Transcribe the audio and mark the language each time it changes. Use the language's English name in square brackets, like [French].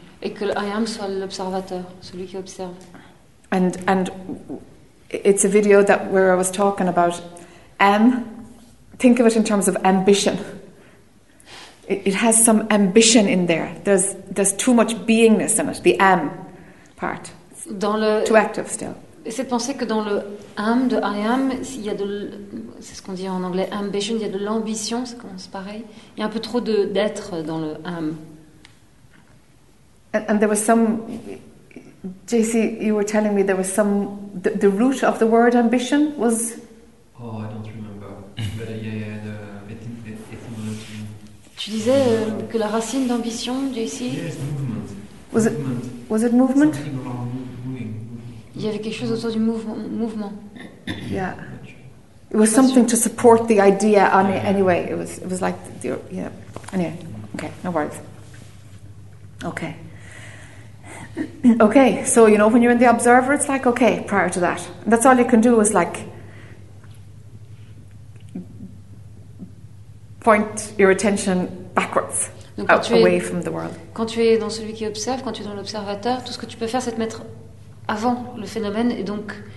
[French] Et que [English] I am [French] soit l'observateur, celui qui observe. [English] And it's a video that where I was talking about am. Think of it in terms of ambition. It has some ambition in there. There's too much beingness in it. The am part. Too active still. [French] Et c'est de penser que dans le am de [English] I am, [French] il y a c'est ce qu'on dit en anglais ambition. Il y a de l'ambition, ça commence pareil. Il y a un peu trop d'être dans le am. [English] And there was some JC, you were telling me there was some... The root of the word ambition was... Oh, I don't remember. But the etymology. [French] Tu disais que la racine d'ambition, JC... [English] Yes, movement. Was it movement? Something around moving. [French] Il y avait quelque chose autour du mouvement. [English] Yeah. It was something to support the idea. I mean, anyway, it was like the, yeah. Anyway, okay, no worries. Okay. Okay. So you know, when you're in the observer, it's like okay. Prior to that, that's all you can do is like point your attention backwards, away from the world. [French] Quand tu es dans celui qui observe, quand tu es dans l'observateur, tout ce que tu peux faire, c'est te mettre avant le phénomène et donc.